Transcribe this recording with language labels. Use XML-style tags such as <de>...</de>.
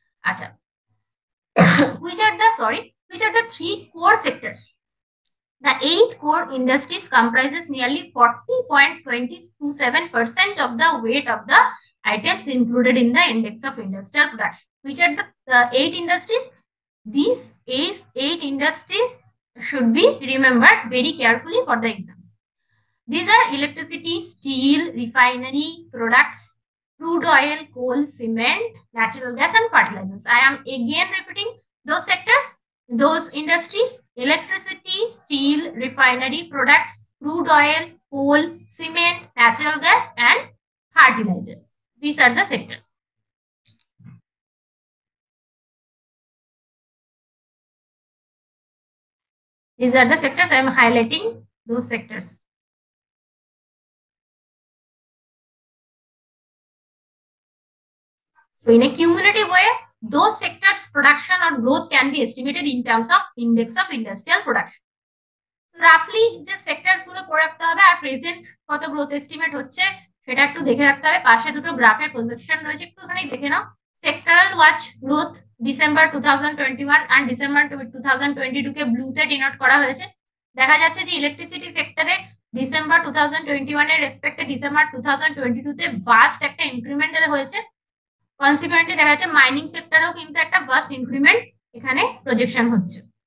<en>আচ্ছা which are the sorry which are the three core sectors, the eight core industries comprises nearly 40.27% of the weight of the items included in the index of industrial production. Which are the eight industries, this these eight industries should be remembered very carefully for the exams. These are electricity, steel, refinery products, crude oil, coal, cement, natural gas and fertilizers. I am again repeating those sectors, those industries, electricity, steel, refinery products, crude oil, coal, cement, natural gas and fertilizers. These are the sectors. These are the sectors I am highlighting, those sectors. So in a cumulative way, those sectors production or growth can be estimated in terms of index of industrial production. So roughly the sectors</en> <bn>গুলো পড়ে রাখতে হবে, আর present কত growth estimate হচ্ছে সেটা একটু দেখে রাখতে হবে, পাশে দুটো গ্রাফের projection রয়েছে একটুখানি দেখে নাও।</bn> <en>sectoral watch growth December 2021 and December 2022</en> <bn>K ব্লুতে denote করা হয়েছে, দেখা যাচ্ছে যে ইলেকট্রিসিটি সেক্টরে ডিসেম্বর 2021 এর রেসপেক্টে ডিসেম্বর 2022 তে ভাস্ট একটা ইনক্রিমেন্ট হয়েছে, কনসিকুয়েন্টলি দেখা যাচ্ছে মাইনিং সেক্টরেও কিন্তু একটা ভাস্ট ইনক্রিমেন্ট এখানে প্রজেকশন হচ্ছে।</bn>